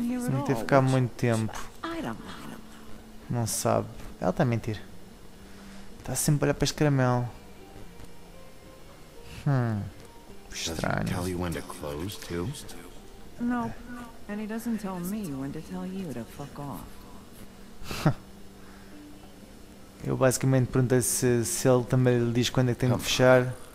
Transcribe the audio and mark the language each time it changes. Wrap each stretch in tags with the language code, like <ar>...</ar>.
<pt>não esteve cá há muito tempo. Não sabe. Ela está a mentir. Está sempre a olhar para este caramelo. Estranho.</pt> <en>Tell you when to close too? No. And he doesn't tell me when to tell you to fuck off.</en> <pt>Eu basicamente perguntei se ele também lhe diz quando é que tem de fechar.</pt>